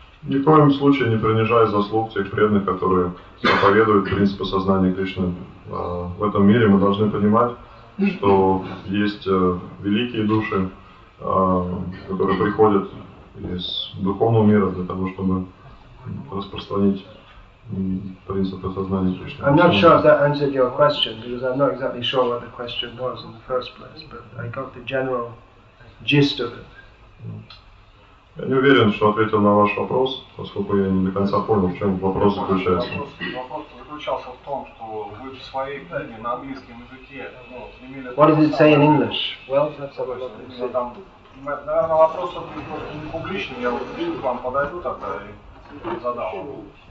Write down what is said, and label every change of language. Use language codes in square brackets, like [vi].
[ru] Ни в коем случае не принижая заслуг тех преданных, которые проповедуют принципы сознания Кришны. В этом мире мы должны понимать, что есть великие души, которые приходят из духовного мира для того, чтобы распространить принципы сознания Кришны. [en] I'm not sure if that answered your question, because I'm not exactly sure what the question was in the first place, but I got the general gist of it. [ru] Я не уверен, что ответил на ваш вопрос, поскольку я не до конца понял, в чем вопрос заключается. Вопрос заключался в том, что вы в своей книге на английском языке, ну, [en] What does it say in English? Well, that's about it. [ru] Наверное, вопрос просто не публичный, я вот к вам подойду тогда и задам.